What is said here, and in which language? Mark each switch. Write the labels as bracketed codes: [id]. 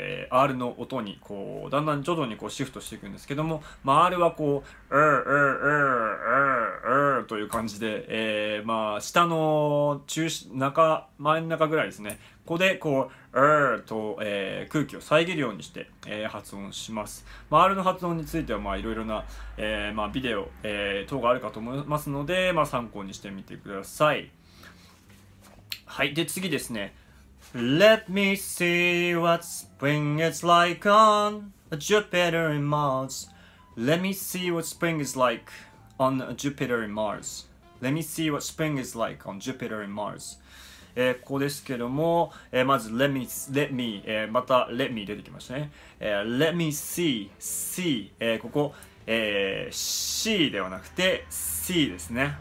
[ja] R の音にこうだんだん徐々にこうシフトしていくんですけども、まあ、R はこう R という感じで、まあ、下の真ん中ぐらいですね、ここでこう R と、空気を遮るようにして、発音します。まあ、R の発音についてはいろいろな、まあ、ビデオ、等があるかと思いますので、まあ、参考にしてみてください。はい、で次ですね。 [en] Let me see what spring is like on Jupiter and Mars. Let me see what spring is like on Jupiter and Mars. Let me see what spring is like on Jupiter and Mars. [ja] ここですけども、まず [en] Let me、 [ja] また Let me 出てきましたね。 [en] Let me see、 [ja] ここ、see ではなくて see ですね。